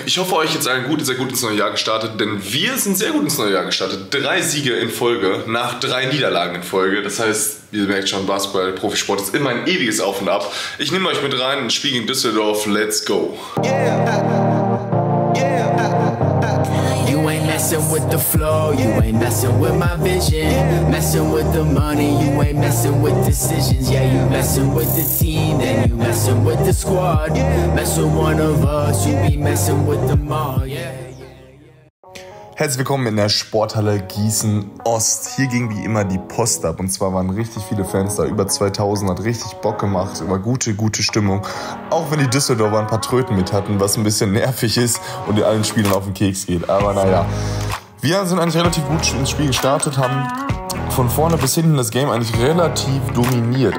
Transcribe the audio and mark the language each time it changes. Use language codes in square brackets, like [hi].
[de] Ich hoffe, euch jetzt allen gut, sehr gut ins neue Jahr gestartet, denn wir sind sehr gut ins neue Jahr gestartet. 3 Siege in Folge nach 3 Niederlagen in Folge. Das heißt, ihr merkt schon, Basketball, Profisport ist immer ein ewiges Auf und Ab. Ich nehme euch mit rein, ein Spiel gegen Düsseldorf. [en] Let's go. Yeah. With the flow, you ain't messing with my vision, messing with the money, you ain't messing with decisions, yeah, you messing with the team, then you messing with the squad, messing one of us, you be messing with them all, yeah. [de] Herzlich willkommen in der Sporthalle Gießen Ost. Hier ging wie immer die Post ab und zwar waren richtig viele Fans da. Über 2000 hat richtig Bock gemacht, war gute Stimmung. Auch wenn die Düsseldorfer ein paar Tröten mit hatten, was ein bisschen nervig ist und die allen Spielern auf den Keks geht. Aber naja, wir sind eigentlich relativ gut ins Spiel gestartet, haben von vorne bis hinten das Game eigentlich relativ dominiert.